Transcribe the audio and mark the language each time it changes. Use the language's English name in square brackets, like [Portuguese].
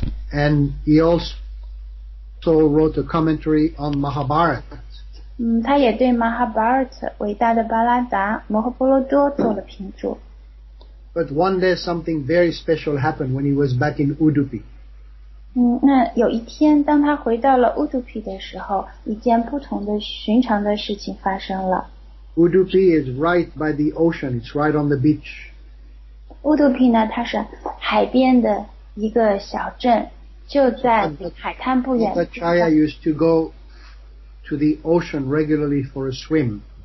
[English] And he also wrote a commentary on Mahabharata. [Chinese] 他也对 Mahabharata 伟大的巴拉达摩诃婆罗多做了评注。 [English] But one day something very special happened when he was back in Udupi. [Chinese] 那有一天当他回到了 Udupi 的时候一件不同的寻常的事情发生了 [English] Udupi is right by the ocean it's right on the beach [Chinese] Udupi 呢它是海边的一个小镇就在海滩不远 [English] Uttachaya used to go to the ocean regularly for a swim